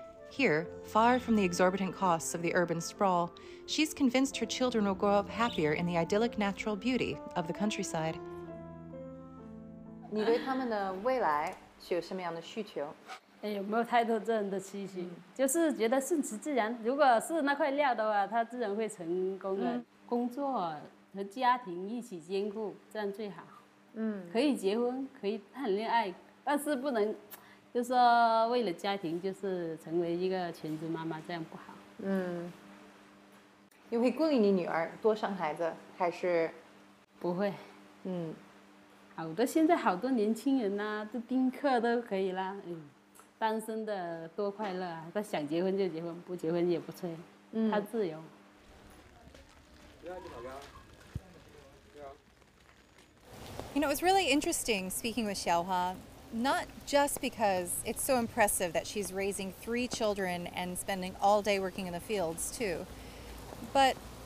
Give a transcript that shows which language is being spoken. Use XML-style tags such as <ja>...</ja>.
<en>Here, far from the exorbitant costs of the urban sprawl, she's convinced her children will grow up happier in the idyllic natural beauty of the countryside.</en> <zh>你对他们的未来是有什么样的需求？哎，有没有太多这样的期许？就是觉得顺其自然，如果是那块料的话，他自然会成功的。工作和家庭一起兼顾，这样最好。可以结婚，可以谈恋爱，但是不能，就是说为了家庭，就是成为一个全职妈妈，这样不好。你会鼓励你女儿多生孩子，还是？不会。好的，现在好多年轻人呐、都丁克都可以啦。单身的多快乐啊！他想结婚就结婚，不结婚也不催，他自由。</zh> <en>You know, it was really interesting speaking with Xiaohua, not just because it's so impressive that she's raising 3 children and spending all day working in the fields too, but</en>